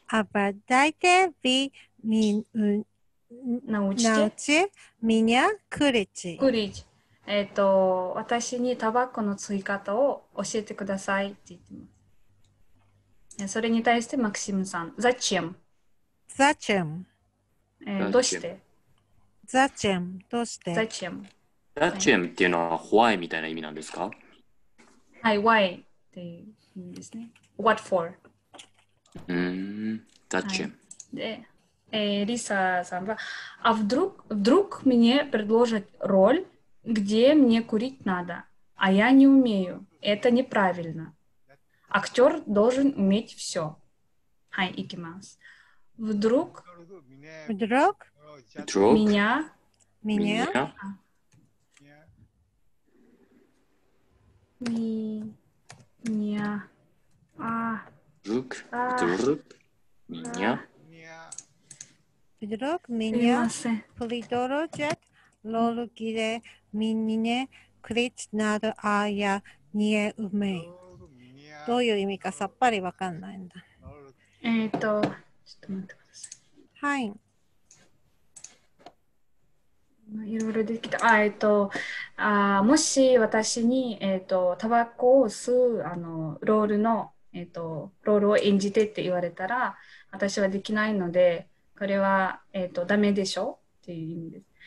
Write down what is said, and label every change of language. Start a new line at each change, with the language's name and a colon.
Russian: А давайте вы научите меня курить. Курить.
Japanese: 私にタバコの吸い方を教えてくださいって言ってます。それに対してマクシムさん、зачем?
Russian: Зачем?
Japanese: どうして?
Russian: Зачем?
Japanese: どうして?
Russian: Зачем?
Japanese: Зачем っていうのは why みたいな意味なんですか？はい、why っていう意味ですね。
English: What for?
Russian: Зачем、
Japanese: はい、で、リサさんは、あ、
Russian: вдруг мне предложат роль, где мне курить надо, а я не умею. Это неправильно. Актер должен уметь все.
Japanese: はい、行きます。
Russian: Вдруг? Меня? Меня. А. Вдруг. Вдруг. Меня. Вдруг меня предложат роль, где меня крить надо, а я не умею.
Japanese: どういう意味かさっぱりわかんないんだ。ちょっと待ってください。はい。いろいろできた。もし私に、タバコを吸うあのロールの、ロールを演じてって言われたら、私はできないので、これは、ダメでしょっていう意味です。